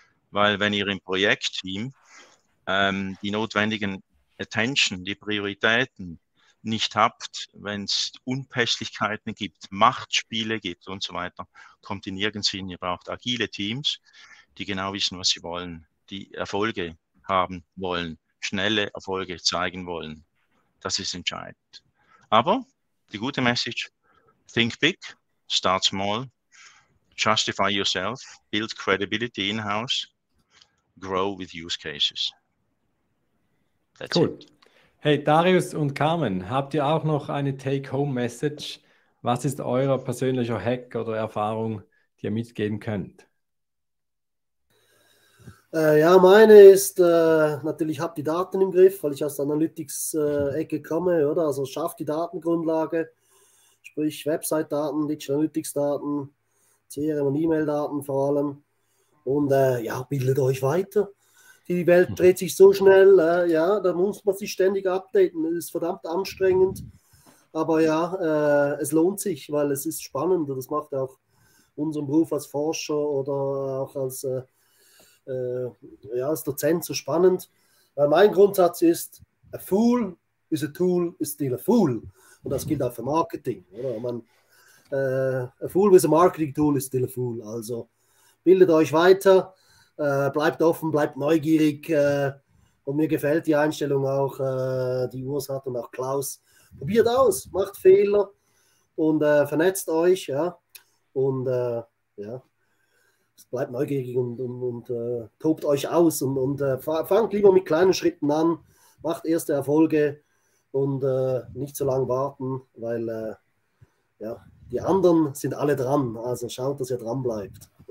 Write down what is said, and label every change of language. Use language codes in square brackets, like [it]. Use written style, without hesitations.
[de] Weil wenn ihr im Projektteam die notwendigen Attention, die Prioritäten nicht habt, wenn es Unpässlichkeiten gibt, Machtspiele gibt und so weiter, kommt ihr nirgends hin. Ihr braucht agile Teams, die genau wissen, was sie wollen, die Erfolge haben wollen, schnelle Erfolge zeigen wollen. Das ist entscheidend. Aber die gute Message, [en] think big, start small, justify yourself, build credibility in-house, grow with use cases. That's cool. It. [de] Hey, Darius und Carmen, habt ihr auch noch eine Take-Home-Message? Was ist euer persönlicher Hack oder Erfahrung, die ihr mitgeben könnt? Ja, meine ist natürlich, ich habe die Daten im Griff, weil ich aus der Analytics-Ecke komme, oder? Also schaff die Datengrundlage, sprich Website-Daten, Digital Analytics-Daten, CRM- und E-Mail-Daten vor allem. Und ja, bildet euch weiter. Die Welt dreht sich so schnell, ja, da muss man sich ständig updaten. Es ist verdammt anstrengend, aber ja, es lohnt sich, weil es ist spannend und das macht auch unseren Beruf als Forscher oder auch als, ja, als Dozent so spannend. Weil mein Grundsatz ist, [en] a fool is a tool is still a fool. [de] Und das gilt auch für Marketing. Oder? [en] Man, a fool with a marketing tool is still a fool. [de] Also bildet euch weiter. Bleibt offen, bleibt neugierig und mir gefällt die Einstellung auch, die Urs hat und auch Klaus. Probiert aus, macht Fehler und vernetzt euch, ja, und ja, bleibt neugierig und tobt euch aus und fangt lieber mit kleinen Schritten an, macht erste Erfolge und nicht zu lange warten, weil ja, die anderen sind alle dran, also schaut, dass ihr dran bleibt.